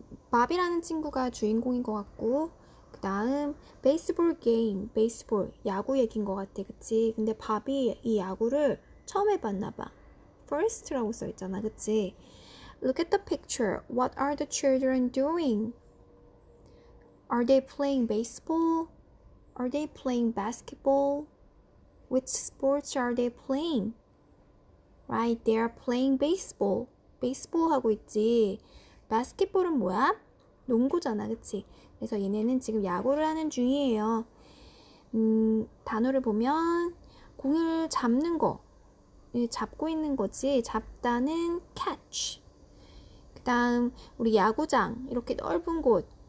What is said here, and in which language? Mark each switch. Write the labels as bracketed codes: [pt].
[ko] 밥이라는 친구가 주인공인 것 같고, 그 다음 Baseball Game, Baseball, 야구 얘기인 것 같아, 그치? 근데 밥이 이 야구를 처음 해봤나 봐. First라고 써있잖아, 그치? [en] Look at the picture. What are the children doing? Are they playing baseball? Are they playing basketball? Which sports are they playing? Right, they are playing baseball. [ko] Baseball 하고 있지. Basketball은 뭐야? 농구잖아, 그치? 그래서 얘네는 지금 야구를 하는 중이에요. 단어를 보면, 공을 잡는 거. 잡고 있는 거지. 잡다는 catch. 그 다음, 우리 야구장. 이렇게 넓은 곳.